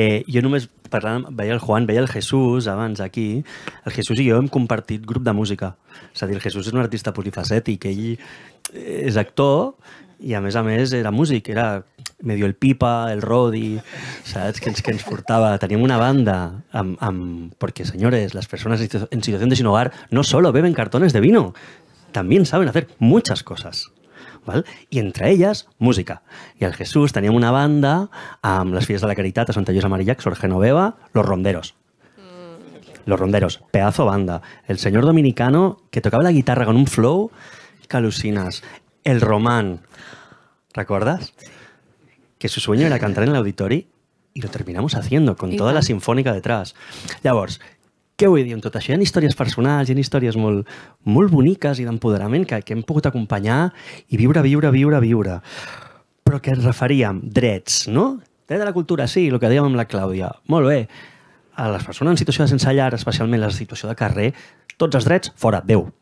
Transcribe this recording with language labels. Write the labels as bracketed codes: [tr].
[ca] Jo només parlant, veia el Juan, veia el Jesús abans aquí. El Jesús i jo hem compartit grup de música. És a dir, el Jesús és un artista polifacètic, ell és actor i a més era músic, era medio el Pipa, el Rodi, saps? Que ens portava. Teníem una banda amb... Perquè, senyores, les persones en situació de [es] sin hogar no solo beben cartones de vino, también saben hacer muchas cosas, ¿vale? Y entre ellas, música. Y al Jesús [ca] teníem una banda amb les Filles de la Caritat, [es] a Santa Lluís Amarillac, Sor Genoveva, Los Ronderos. Los Ronderos, pedazo banda. El señor dominicano que tocava la guitarra con un flow que alucinas. El Román, ¿recordas? Que su sueño era cantar en el auditori y lo terminamos haciendo con toda la sinfónica detrás. [ca] Llavors, què vull dir amb tot això? Hi ha històries personals, hi ha històries molt, molt boniques i d'empoderament que hem pogut acompanyar i viure. Però que ens referíem? Drets, no? Dret a la cultura, sí, el que dèiem amb la Clàudia. Molt bé. A les persones en situació de sense llar, especialment la situació de carrer, tots els drets, fora, Déu.